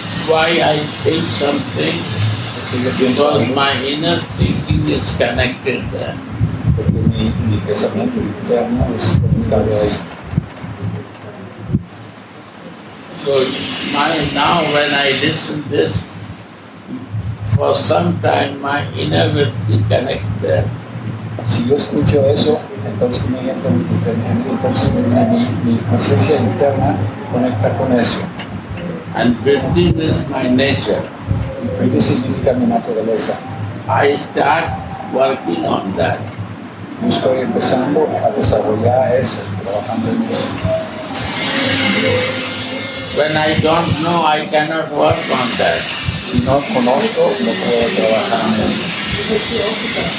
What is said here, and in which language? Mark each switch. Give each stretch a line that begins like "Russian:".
English: Why I think something? Because my inner thinking is connected there.
Spanish: Porque mi pensamiento interno es conectado ahí.
English: So now when I listen this, for some time my inner will be connected there.
Spanish: Si yo escucho eso, entonces mi mente, mi conciencia interna conecta con eso.
English: And vritti is my nature.
Spanish: Y vritti significa mi naturaleza.
English: I start working on that.
Spanish: Yo estoy empezando a desarrollar eso, trabajando en eso.
English: When I don't know, I cannot work on that.
Spanish: Si no conozco, no puedo trabajar en eso.